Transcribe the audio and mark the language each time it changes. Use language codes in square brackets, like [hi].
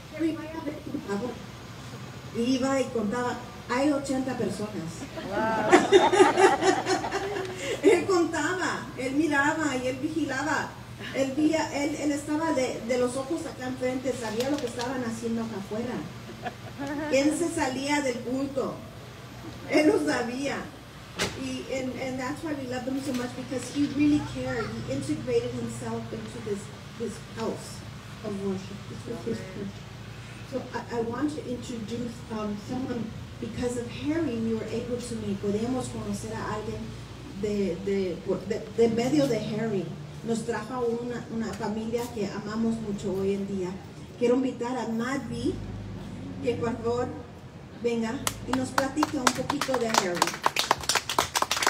[es] Harry, vaya a ver, por favor. Y iba y contaba, hay 80 personas. Wow. Él contaba, él miraba y él vigilaba. Él estaba de los ojos acá enfrente, sabía lo que estaban haciendo acá afuera. ¿Quién se salía del culto? Él lo sabía. [en] Y and that's why we love him so much, because he really cared. He integrated himself into this house of worship. This was his church. So I want to introduce someone. Because of Harry, we were able to meet. [es] Podemos conocer a alguien de medio de Harry. Nos trajo una familia que amamos mucho hoy en día. Quiero invitar a Maddie que por favor venga y nos platique un poquito de Harry.